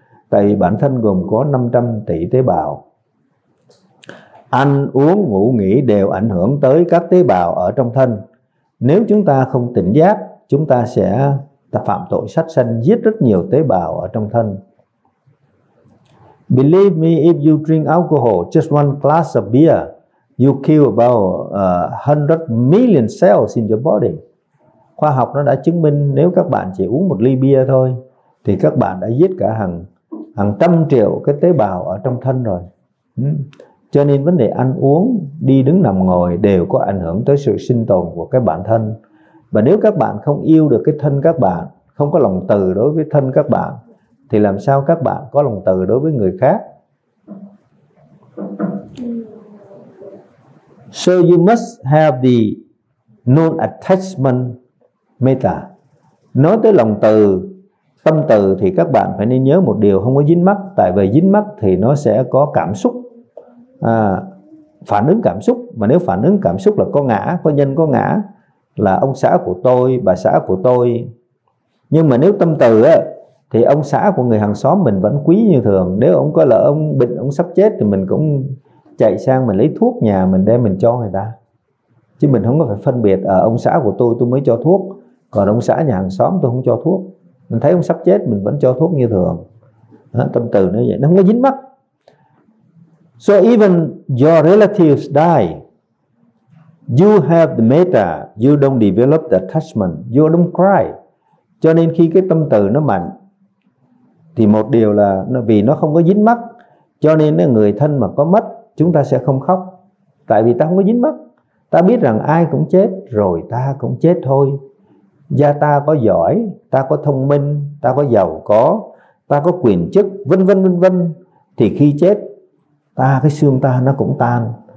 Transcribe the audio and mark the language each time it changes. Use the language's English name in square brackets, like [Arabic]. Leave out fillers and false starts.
[Vietnamese] Tại vì bản thân gồm có 500 tỷ tế bào. Ăn, uống, ngủ, nghỉ đều ảnh hưởng tới các tế bào ở trong thân. Nếu chúng ta không tỉnh giác, chúng ta sẽ phạm tội sát sanh, giết rất nhiều tế bào ở trong thân. [English] Believe me, if you drink alcohol, just one glass of beer, you kill about 100 million cells in your body. [Vietnamese] Khoa học nó đã chứng minh nếu các bạn chỉ uống một ly bia thôi thì các bạn đã giết cả hàng trăm triệu cái tế bào ở trong thân rồi. Cho nên vấn đề ăn uống, đi đứng nằm ngồi đều có ảnh hưởng tới sự sinh tồn của cái bản thân. Và nếu các bạn không yêu được cái thân các bạn, không có lòng từ đối với thân các bạn, thì làm sao các bạn có lòng từ đối với người khác? [English] So you must have the non-attachment metta. [Vietnamese] Nói tới lòng từ, tâm từ thì các bạn phải nên nhớ một điều không có dính mắc. Tại vì dính mắc thì nó sẽ có cảm xúc, phản ứng cảm xúc. Mà nếu phản ứng cảm xúc là có ngã, có nhân có ngã, là ông xã của tôi, bà xã của tôi. Nhưng mà nếu tâm từ thì ông xã của người hàng xóm mình vẫn quý như thường. Nếu ông có lỡ ông bệnh, ông sắp chết thì mình cũng chạy sang mình lấy thuốc nhà mình đem mình cho người ta. Chứ mình không có phải phân biệt ông xã của tôi mới cho thuốc, còn ông xã nhà hàng xóm tôi không cho thuốc. Mình thấy ông sắp chết mình vẫn cho thuốc như thường. Đó, tâm từ nó vậy, nó không có dính mắc. [English] So even your relatives die, you have the metta, you don't develop the attachment, you don't cry. [Vietnamese] Cho nên khi cái tâm từ nó mạnh thì một điều là vì nó không có dính mắc, cho nên người thân mà có mất chúng ta sẽ không khóc. Tại vì ta không có dính mắc, ta biết rằng ai cũng chết, rồi ta cũng chết thôi. Gia ta có giỏi, ta có thông minh, ta có giàu có, ta có quyền chức, vân vân vân vân, thì khi chết ta, cái xương ta nó cũng tan.